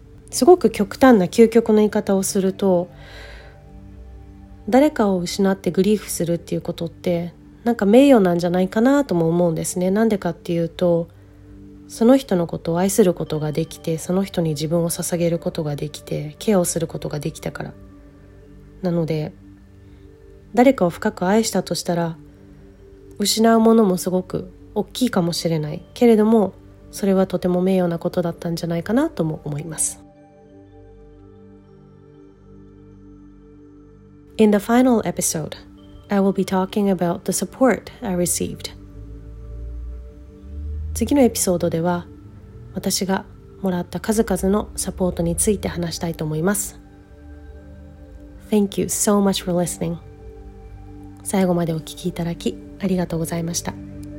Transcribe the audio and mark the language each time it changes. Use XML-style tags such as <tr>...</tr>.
<ja>すごく極端な究極の言い方をすると、誰かを失ってグリーフするっていうことってなんか名誉なんじゃないかなとも思うんですね。なんでかっていうと、その人のことを愛することができて、その人に自分を捧げることができて、ケアをすることができたから。なので誰かを深く愛したとしたら、失うものもすごく大きいかもしれないけれども、それはとても名誉なことだったんじゃないかなとも思います。</ja> <en>In the final episode, I will be talking about the support I received.</en> <ja>次のエピソードでは私がもらった数々のサポートについて話したいと思います。</ja> <en>Thank you so much for listening.</en> <ja>最後までお聞きいただきありがとうございました。</ja>